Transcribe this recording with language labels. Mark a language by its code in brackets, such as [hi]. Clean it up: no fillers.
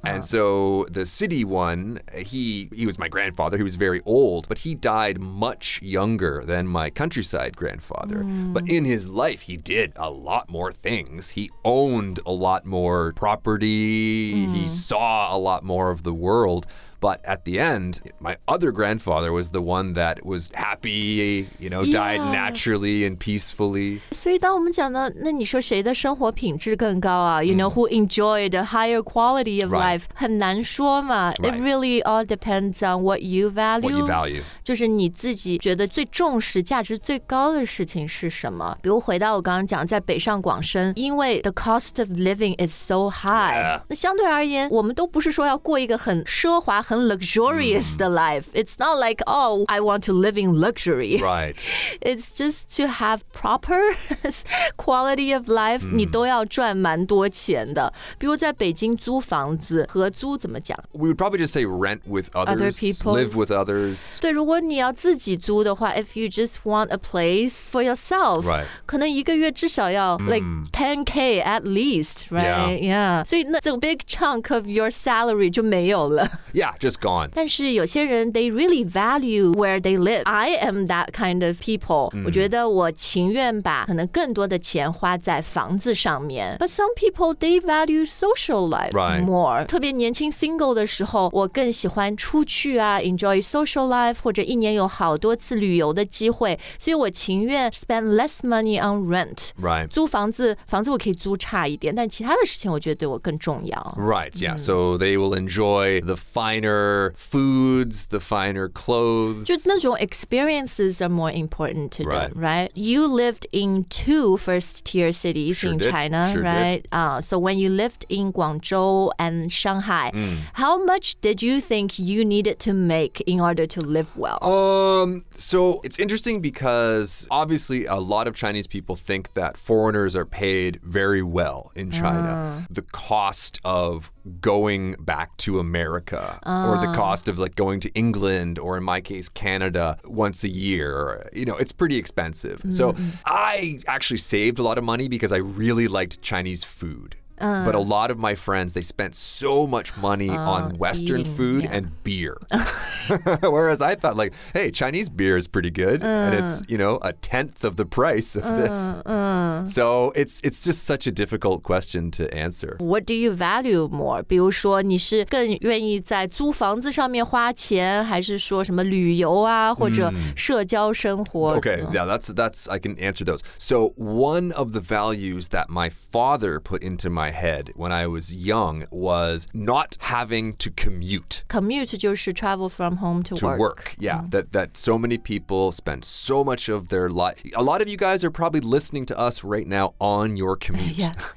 [en] And so the city one he was my grandfather He was very old But he died much younger than my countryside grandfather、 mm. But in his life he did a lot more things He owned a lot more property、 mm. He saw a lot more of the world But at the end, my other grandfather was the one that was happy, you know, died yeah. naturally and peacefully. [zh] 所以当我们讲到，那你说谁的生活品质更高啊？ [en] You know, who enjoyed a higher quality of life? [zh] 很难说嘛。 [en] It really all depends on what you value. What you value. [zh] 就是你自己觉得最重视、价值最高的事情是什么？比如回到我刚刚讲，在北上广深，因为 [en] the cost of living is so high. Yeah. [zh] 那相对而言，我们都不是说要过一个很奢华。很 luxurious 的 life. [en] It's not like, oh, I want to live in luxury. Right. It's just to have proper quality of life,、mm. [zh] 你都要赚蛮多钱的。比如在北京租房子合租怎么讲 [en] We would probably just say rent with others. Other people. Live with others. [zh] 对如果你要自己租的话 [en] if you just want a place for yourself, right. [zh] 可能一个月至少要、mm. [en] like 10K at least, right? Yeah. yeah. [zh] 所以那 [en] the big chunk of your salary [zh] 就没有了。 [en] Yeah, just gone. [zh] 但是有些人 [en] they really value where they live. I am that kind of people.、 Mm. [zh] 我觉得我情愿把可能更多的钱花在房子上面。 [en] But some people, they value social life、 right. more. [zh] 特别年轻 single 的时候我更喜欢出去啊 [en] enjoy social life [zh] 或者一年有好多次旅游的机会。所以我情愿 [en] spend less money on rent. Right. [zh] 租房子房子我可以租差一点但其他的事情我觉得对我更重要。 [en] Right, yeah.、Mm. So they will enjoy the finer finer foods, the finer clothes. [zh] 就那种 [en] experiences are more important to them, right? You lived in two first-tier cities in China, right? So when you lived in Guangzhou and Shanghai, how much did you think you needed to make in order to live well? So it's interesting because obviously a lot of Chinese people think that foreigners are paid very well in China. The cost of going back to America or the cost of like going to England or in my case, Canada once a year, you know, it's pretty expensive. So I actually saved a lot of money because I really liked Chinese food. But a lot of my friends, they spent so much money on Western food and beer. Whereas I thought like, hey, Chinese beer is pretty good. And it's, you know, a tenth of the price of this. So it's just such a difficult question to answer. What do you value more? [zh] 比如说你是更愿意在租房子上面花钱还是说什么旅游啊或者社交生活。 [en] Okay, yeah, that's, I can answer those. So one of the values that my father put into my head when I was young was not having to commute. Commute [zh] 就是 [en] travel from home to work. To work, yeah. That so many people spend so much of their life. A lot of you guys are probably listening to us right now on your commute.